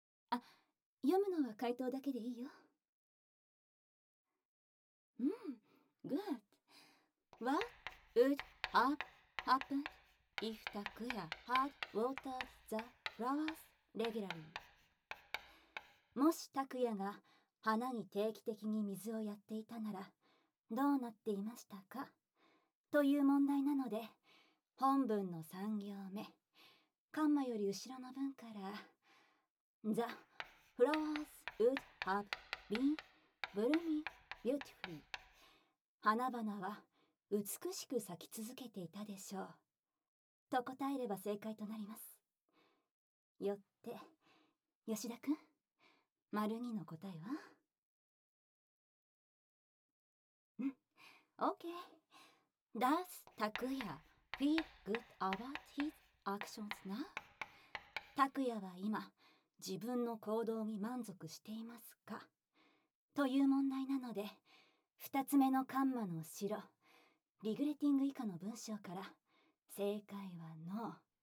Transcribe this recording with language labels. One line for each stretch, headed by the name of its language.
Japanese: あ、読むのは回答だけでいいよ。うん、
English: good. What would have happened if Takuya had watered the flowers regularly?
Japanese: もし Takuya が花に定期的に水をやっていたなら、どうなっていましたかという問題なので、本文の三行目、カンマより後ろの文から、
English: The flowers would have been blooming beautifully.
Japanese: 花々は美しく咲き続けていたでしょう。と答えれば正解となります。よって、吉田くん、丸二の答えは？
English: Okay. Does Takuya feel good about his actions now?
Japanese: Takuya は今、自分の行動に満足していますか？という問題なので、二つ目のカンマの後ろ、リグレティング以下の文章から、正解は No。